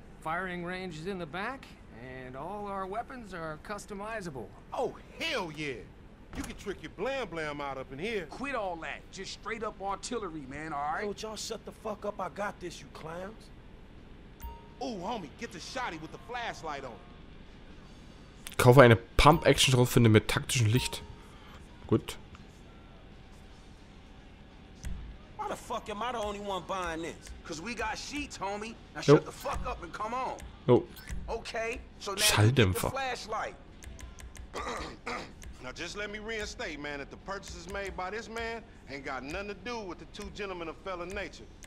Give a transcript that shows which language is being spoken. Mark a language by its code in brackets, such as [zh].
[en] Firing range is in the back, and all our weapons are customizable. Oh, hell yeah. You can trick your blam blam out up in here. Quit all that. Just straight up artillery, man, all right? Yo, y'all shut the fuck up. I got this, you clowns. Ooh, homie, get the shotty with the flashlight on. [de] Kaufe eine Pump-Action-Schrotflinte mit taktischem Licht. Gut. [en] Why the fuck am I the only one buying this? Cause we got sheets, homie. Now shut the fuck up and come on. Yo. Okay, so now get the flashlight. Now just let me reinstate, man, that the purchases made by this man ain't got nothing to do with the two gentlemen of fellow nature.